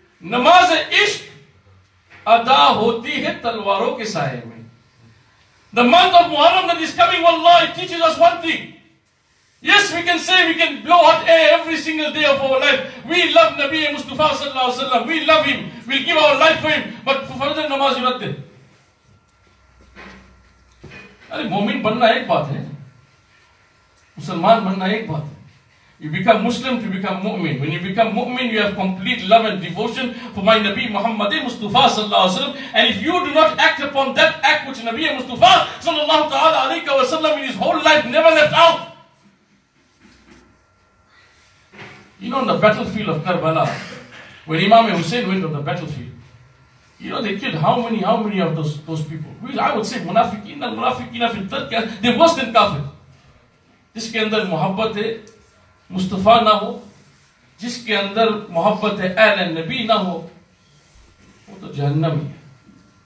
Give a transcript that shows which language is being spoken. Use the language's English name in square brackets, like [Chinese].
[Urdu] نماز عشق ادا ہوتی ہے تلواروں کے سائے میں. [English] The month of Muharram that is coming, wallah, it teaches us one thing. Yes, we can say we can blow hot air every single day of our life. We love Nabi Mustafa sallallahu alaihi wasallam. We love him. We'll give our life for him. [Urdu] But فرض نماز ہی رکھتے. ارے مومن بننا ایک بات ہے, مسلمان بننا ایک بات ہے. [English] You become Muslim to become mu'min. When you become mu'min, you have complete love and devotion for my Nabi Muhammad Mustafa sallallahu alayhi wa sallam. And if you do not act upon that act which Nabi Mustafa sallallahu alayhi wa sallam in his whole life never left out. You know, on the battlefield of Karbala, when Imam Husain went on the battlefield, you know, they killed how many of those people? I would say munafiqeen al munafiqeen fil tarka, they're worse than kafir. [Urdu] This ke andar muhabbat hai مصطفیٰ نہ ہو, جس کے اندر محبت اہل نبی نہ ہو, وہ تو جہنم ہی ہے.